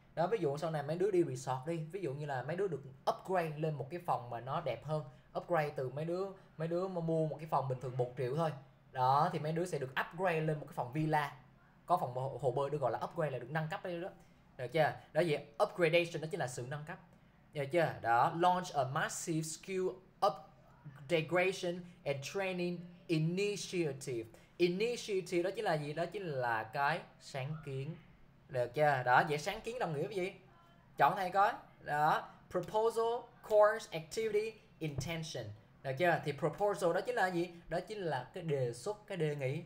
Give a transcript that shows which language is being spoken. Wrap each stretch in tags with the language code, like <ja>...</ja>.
<vi>Đó, ví dụ sau này mấy đứa đi resort đi. Ví dụ như là mấy đứa được upgrade lên một cái phòng mà nó đẹp hơn. Upgrade từ mấy đứa mà mua một cái phòng bình thường 1 triệu thôi. Đó, thì mấy đứa sẽ được upgrade lên một cái phòng villa. Có phòng hồ bơi được gọi là upgrade, là được nâng cấp đấy đó. Được chưa? Đó vậy, upgradation đó chính là sự nâng cấp. Được chưa?</vi> <en>Đó, launch a massive skill upgradation and training initiative.</en> <vi>Initiative đó chính là gì? Đó chính là cái sáng kiến. Được chưa? Đó, vậy sáng kiến đồng nghĩa với gì? Chọn thầy coi. Đó, proposal, course, activity, intention. Được chưa? Thì proposal đó chính là gì? Đó chính là cái đề xuất, cái đề nghị.</vi>